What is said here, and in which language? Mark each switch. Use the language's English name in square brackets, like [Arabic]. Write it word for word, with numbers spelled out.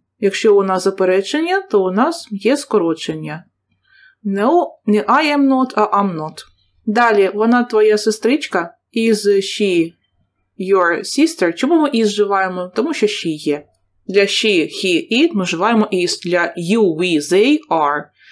[Ukrainian] Якщо у нас заперечення, то у нас є скорочення. [English] No, [Ukrainian] не [English] I am not, [Ukrainian] а [English] I'm not. [Ukrainian] Далі, вона твоя сестричка, [English] is she your sister. [Ukrainian] Чому ми is вживаємо? Тому що she є. Для [English] she, he, it [Ukrainian] ми вживаємо [English] is. Для you, we, they, are.